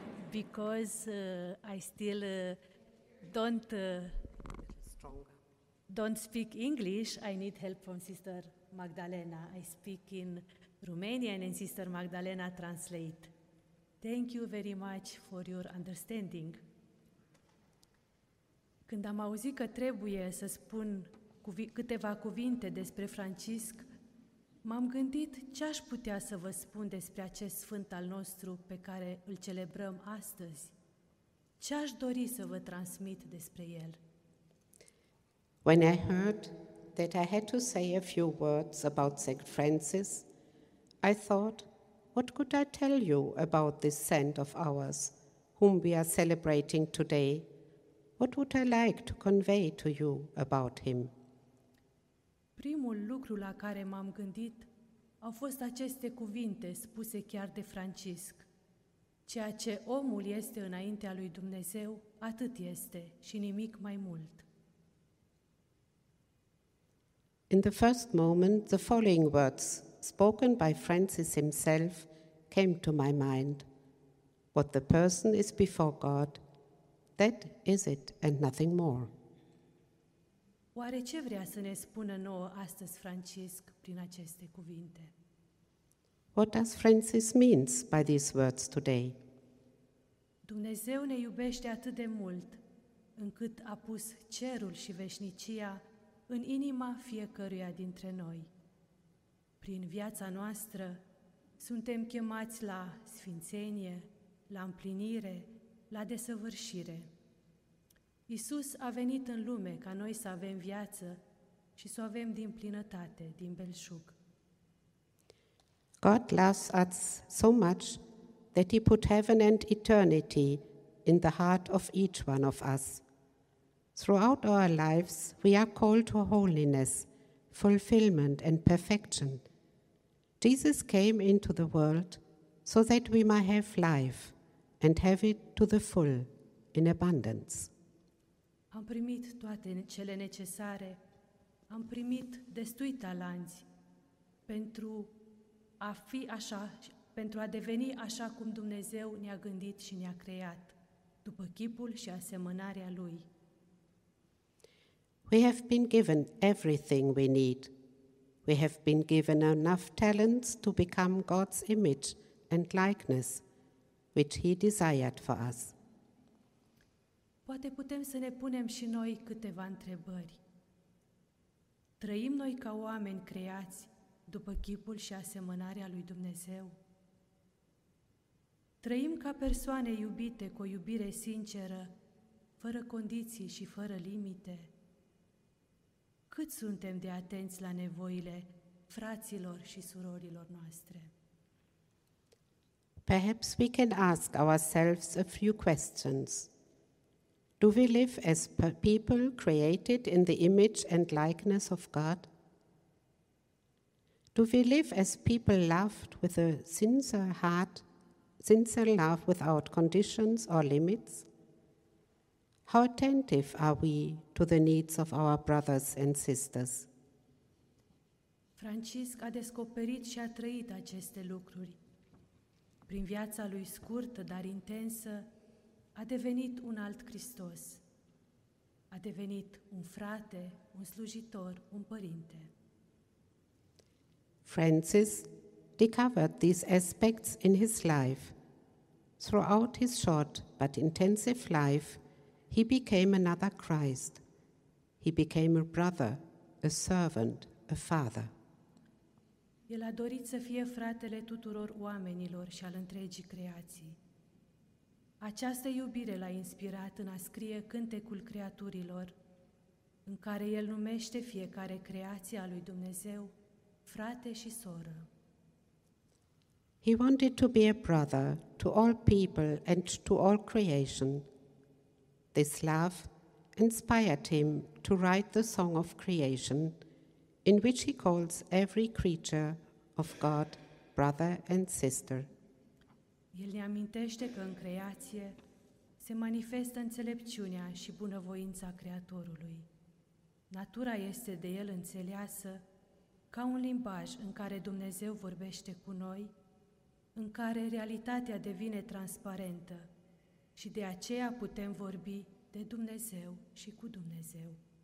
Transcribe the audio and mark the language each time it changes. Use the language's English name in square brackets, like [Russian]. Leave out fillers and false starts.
[English] Because I still don't speak English, I need help from Sister Magdalena. I speak in Romanian and Sister Magdalena translate. Thank you very much for your understanding. [Romanian] Când am auzit că trebuie să spun câteva cuvinte despre Francisc, m-am gândit ce aș putea să vă spun despre acest sfânt al nostru pe care îl celebrăm astăzi. Ce aș dori să vă transmit despre el? [English] When I heard that I had to say a few words about St. Francis, I thought, what could I tell you about this saint of ours, whom we are celebrating today? What would I like to convey to you about him? [Romanian] Primul lucru la care m-am gândit au fost aceste cuvinte spuse chiar de Francisc. Ceea ce omul este înaintea lui Dumnezeu, atât este și nimic mai mult. [English] In the first moment, the following words spoken by Francis himself came to my mind. What the person is before God, that is it and nothing more. [Romanian] Oare ce vrea să ne spună nouă astăzi Francisc prin aceste cuvinte? [English] What does Francis mean by these words today? [Romanian] Dumnezeu ne iubește atât de mult încât a pus cerul și veșnicia în inima fiecăruia dintre noi. Prin viața noastră suntem chemați la sfințenie, la împlinire, la desăvârșire. Iisus a venit în lume ca noi să avem viață și să o avem din plinătate, din belșug. [English] God loves us so much that he put heaven and eternity in the heart of each one of us. Throughout our lives, we are called to holiness, fulfillment and perfection. Jesus came into the world so that we might have life and have it to the full, in abundance. [Romanian] Am primit toate cele necesare, am primit destui talanți pentru a fi așa, pentru a deveni așa cum Dumnezeu ne-a gândit și ne-a creat, după chipul și asemănarea Lui. [English] We have been given everything we need. We have been given enough talents to become God's image and likeness, which He desired for us. [Romanian] Poate putem să ne punem și noi câteva întrebări. Trăim noi ca oameni creați după chipul și asemănarea lui Dumnezeu? Trăim ca persoane iubite cu o iubire sinceră, fără condiții și fără limite? Cât suntem de atenți la nevoile fraților și surorilor noastre? [English] Perhaps we can ask ourselves a few questions. Do we live as people created in the image and likeness of God? Do we live as people loved with a sincere heart, sincere love without conditions or limits? How attentive are we to the needs of our brothers and sisters? [Romanian] Francisc a descoperit și a trăit aceste lucruri. Prin viața lui scurtă, dar intensă, a devenit un alt Hristos. A devenit un frate, un slujitor, un părinte. [English] Francis discovered these aspects in his life. Throughout his short but intensive life, he became another Christ. He became a brother, a servant, a father. [Romanian] El a dorit să fie fratele tuturor oamenilor și al întregii creații. Această iubire l-a inspirat în a scrie cântecul creaturilor, în care el numește fiecare creație a lui Dumnezeu frate și soră. [English] He wanted to be a brother to all people and to all creation. This love inspired him to write the song of creation, in which he calls every creature of God brother and sister. [Romanian] El ne amintește că în creație se manifestă înțelepciunea și bunăvoința Creatorului. Natura este de El înțeleasă ca un limbaj în care Dumnezeu vorbește cu noi, în care realitatea devine transparentă și de aceea putem vorbi de Dumnezeu și cu Dumnezeu.